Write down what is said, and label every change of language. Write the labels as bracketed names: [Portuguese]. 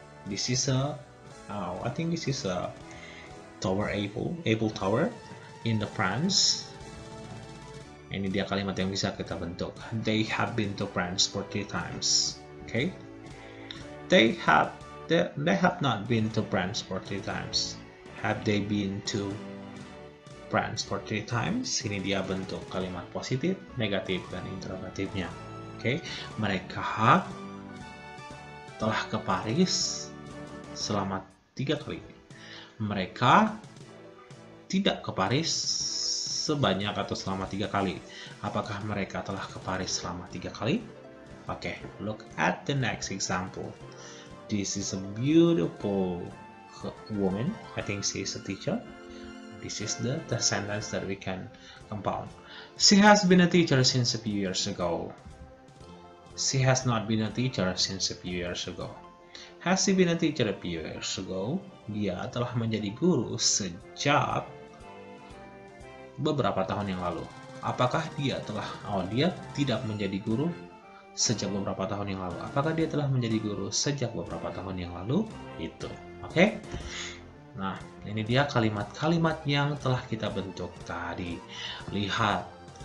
[English] This is a, oh, I think this is a tower, Eiffel Tower. in the France. [Indonesian] Ini dia kalimat yang bisa kita bentuk. [English] They have been to France for 3 times. Okay? They have not been to France for 3 times. Have they been to France for 3 times? [Indonesian] Ini dia bentuk kalimat positif, negatif, dan interrogatifnya. Okay? Mereka telah ke Paris selama 3 kali. Mereka tidak ke Paris sebanyak atau selama 3 kali. Apakah mereka telah ke Paris selama 3 kali? [English] Okay, look at the next example. This is a beautiful woman. I think she is a teacher. This is the sentence that we can compound. She has been a teacher since a few years ago. She has not been a teacher since a few years ago. Has she been a teacher a few years ago? [Indonesian] Dia telah menjadi guru sejak beberapa tahun yang lalu. Apakah dia telah, dia tidak menjadi guru sejak beberapa tahun yang lalu. Apakah dia telah menjadi guru sejak beberapa tahun yang lalu? Itu. Oke. Okay? Nah, ini dia kalimat-kalimat yang telah kita bentuk tadi. Lihat.